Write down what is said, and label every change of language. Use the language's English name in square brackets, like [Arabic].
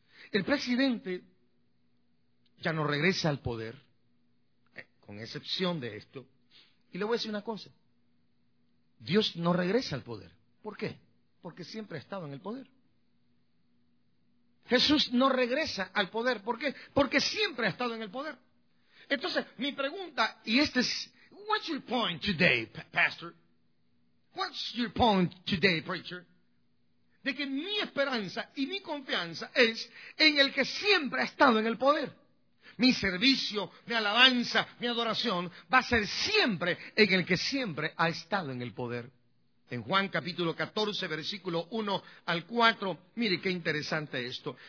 [Spanish] El presidente ya no regresa al poder, con excepción de esto. Y le voy a decir una cosa. Dios no regresa al poder. ¿Por qué? Porque siempre ha estado en el poder. Jesús no regresa al poder. ¿Por qué? Porque siempre ha estado en el poder. Entonces, mi pregunta, y este es... [English] What's your point today, Pastor? What's your point today, Preacher? [Spanish] De que mi esperanza y mi confianza es en el que siempre ha estado en el poder. Mi servicio, mi alabanza, mi adoración va a ser siempre en el que siempre ha estado en el poder. En Juan capítulo 14, versículo 1 al 4, mire qué interesante esto.